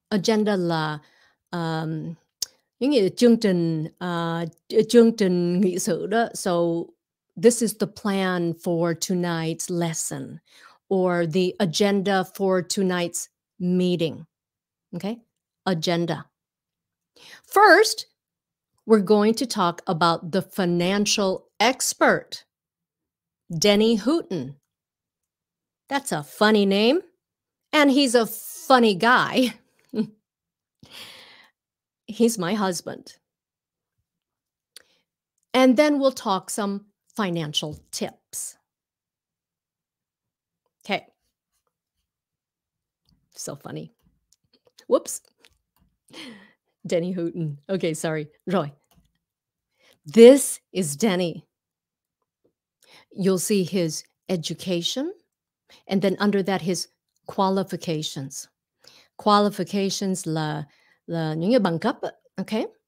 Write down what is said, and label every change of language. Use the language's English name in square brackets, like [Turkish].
[Vietnamese] Agenda là những cái chương trình nghị sự đó. [English] So this is the plan for tonight's lesson or the agenda for tonight's meeting. Okay? Agenda. First, we're going to talk about the financial expert, Denny Hooten. That's a funny name, and he's a funny guy. He's my husband. And then we'll talk some financial tips. Okay. So funny. Whoops. Denny Hooten. Okay, sorry. Roy. This is Denny. You'll see his education, and then under that, his qualifications. [Vietnamese] Qualifications là những cái bằng cấp, okay?